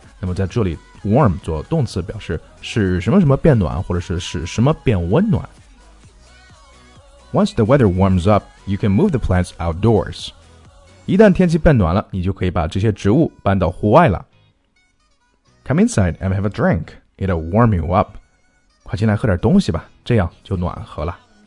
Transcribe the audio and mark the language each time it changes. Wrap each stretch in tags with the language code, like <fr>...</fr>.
<zh>那么在这里 warm 做动词表示使什么什么变暖或者是使什么变温暖。</zh> <en>Once the weather warms up, you can move the plants outdoors.</en> <zh>一旦天气变暖了你就可以把这些植物搬到户外了。</zh> <en>Come inside and have a drink. It'll warm you up.</en> <zh>快进来喝点东西吧，这样就暖和了。</zh>